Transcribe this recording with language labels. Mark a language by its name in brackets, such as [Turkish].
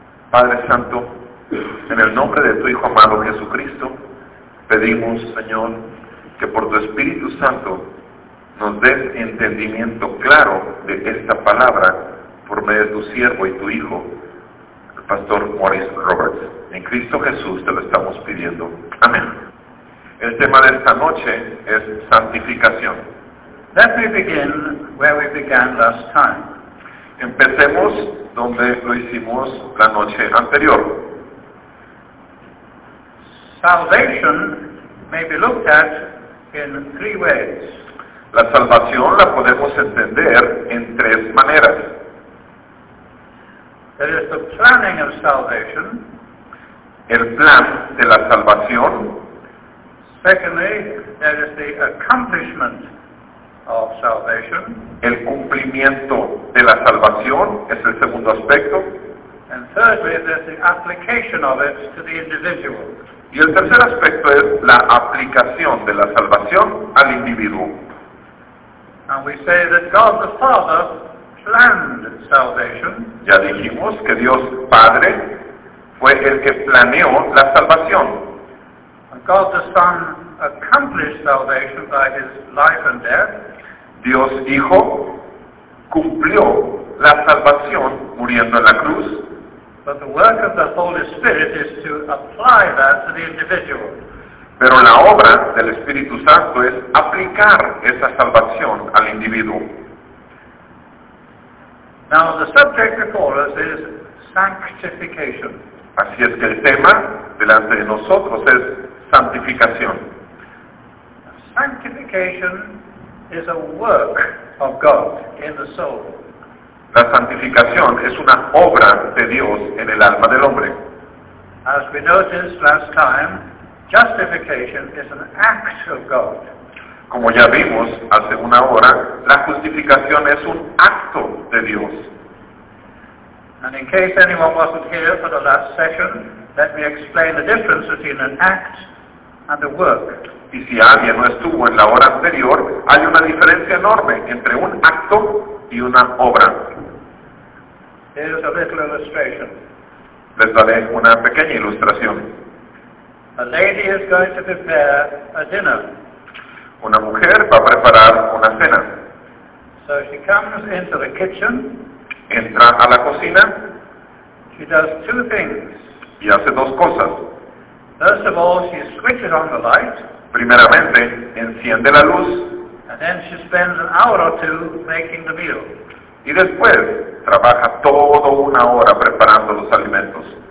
[Spanish] Padre Santo, en el nombre de tu Hijo amado Jesucristo, pedimos, Señor, que por tu Espíritu Santo nos des entendimiento claro de esta palabra por medio de tu siervo y tu Hijo, el Pastor Maurice Roberts. En Cristo Jesús te lo estamos pidiendo. Amén. El tema de esta noche es santificación. [English] Let me begin where we began last time. [Spanish] Empecemos donde lo hicimos la noche anterior. [English] Salvation may be looked at in three ways. [Spanish] La salvación la podemos entender en tres maneras. [English] There is the planning of salvation. [Spanish] El plan de la salvación. [English] Secondly, there is the accomplishment of salvation. [Spanish] El cumplimiento de la salvación es el segundo aspecto. [English] And thirdly, there's the application of it to the individual. [Spanish] Y el tercer aspecto es la aplicación de la salvación al individuo. [English] And we say that God the Father planned salvation. [Spanish] Ya dijimos que Dios Padre fue el que planeó la salvación. [English] God the Son accomplished salvation by his life and death. [Spanish] Dios Hijo cumplió la salvación muriendo en la cruz. [English] But the work of the Holy Spirit is to apply that to the individual. [Spanish] Pero la obra del Espíritu Santo es aplicar esa salvación al individuo. [English] Now the subject before us is sanctification. [Spanish] Así es que el tema delante de nosotros es santificación. [English] Sanctification is a work of God in the soul. [Spanish] La santificación es una obra de Dios en el alma del hombre. [English] As we noticed last time, justification is an act of God. [Spanish] Como ya vimos hace una hora, la justificación es un acto de Dios. [English] And in case anyone wasn't here for the last session, let me explain the difference between an act and a work. [Spanish] Y si alguien no estuvo en la hora anterior, hay una diferencia enorme entre un acto y una obra. [English] Here's a little illustration. [Spanish] Les daré una pequeña ilustración. [English] A lady is going to prepare a dinner. [Spanish] Una mujer va a preparar una cena. [English] So she comes into the kitchen. [Spanish] Entra a la cocina. [English] She does two things. [Spanish] Y hace dos cosas. [English] First of all, she switches on the light. [Spanish] Primeramente, enciende la luz. [English] And then she spends an hour or two making the meal. [Spanish] Y después, trabaja todo una hora preparando los alimentos.